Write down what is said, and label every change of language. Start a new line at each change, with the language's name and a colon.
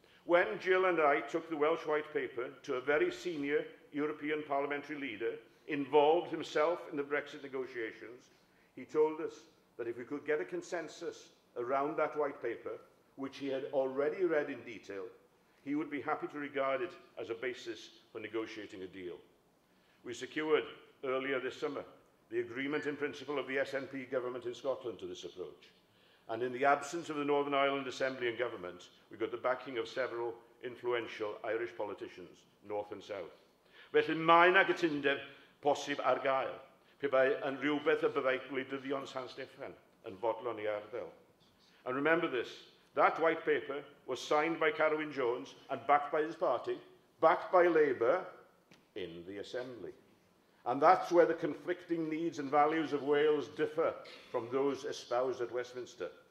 English: When Jill and I took the Welsh White Paper to a very senior European parliamentary leader involved himself in the Brexit negotiations, he told us that if we could get a consensus around that White Paper, which he had already read in detail, he would be happy to regard it as a basis for negotiating a deal. We secured, earlier this summer, the agreement in principle of the SNP government in Scotland to this approach. And in the absence of the Northern Ireland Assembly and government, we got the backing of several influential Irish politicians, north and south.
Welsh: Felly mae yna gytundeb posib ar gael, pe bai yn rhywbeth y byddai gwleidyddion San Steffan yn fodlon i ardal.
English: And remember this, that white paper was signed by Carwyn Jones and backed by his party, backed by Labour in the Assembly. And that's where the conflicting needs and values of Wales differ from those espoused at Westminster.